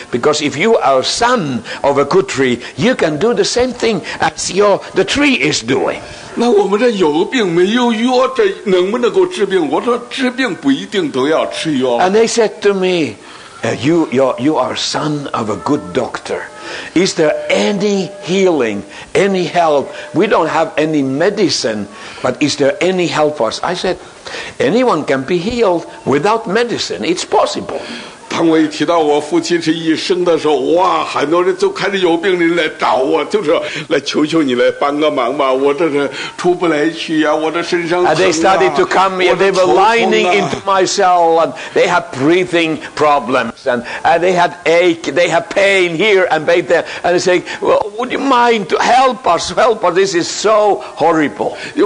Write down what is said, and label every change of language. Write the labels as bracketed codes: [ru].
[en] Because if you are a son of a good tree, you can do the same thing as the tree is doing. [zh] 那我们这有病没有药，这能不能够治病？我说治病不一定都要吃药。 [en] And they said to me, you are son of a good doctor. Is there any healing, any help? We don't have any medicine, but is there any help for us? I said, anyone can be healed without medicine. It's possible. [zh] 当我一提到我父亲是医生的时候，哇，很多人就开始有病人来找我，就是来求求你来帮个忙吧，我这是出不来气呀，我这身上疼啊。 [en] And they started to come in, they were lining into my cell, and they had breathing problems, and they had ache, they had pain here and pain there, and they say, well, would you mind to help us, this is so horrible.